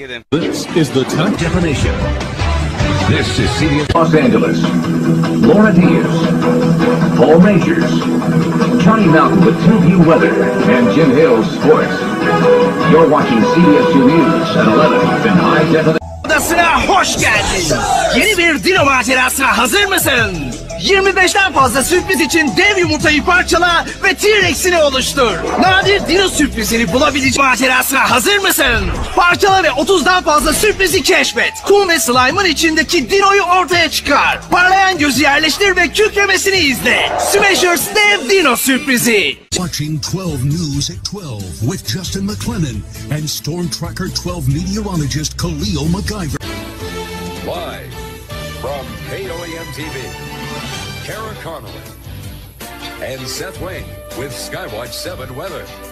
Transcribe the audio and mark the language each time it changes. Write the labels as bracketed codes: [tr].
[en] This is the top definition. This is CBS Los Angeles. Laura Diaz. Paul Majors. Johnny Mountain with 2View Weather. And Jim Hill's Sports. You're watching CBS 2 News at 11 in high definition. [tr] Hoş geldin. Yeni bir dino macerasına hazır mısın? 25'ten fazla sürpriz için dev yumurtayı parçala ve T-Rex'ini oluştur. Nadir dino sürprizini bulabilecek macerasına hazır mısın? Parçala ve 30'dan fazla sürprizi keşfet. Kum ve slime'ın içindeki dino'yu ortaya çıkar. Parlayan gözü yerleştir ve kükremesini izle. Smashers dev dino sürprizi. [en] Watching 12 News at 12 with Justin McLennan and Storm Tracker 12 meteorologist Khalil MacGyver. Live from KOAM TV, Kara Connolly and Seth Wayne with Skywatch 7 weather.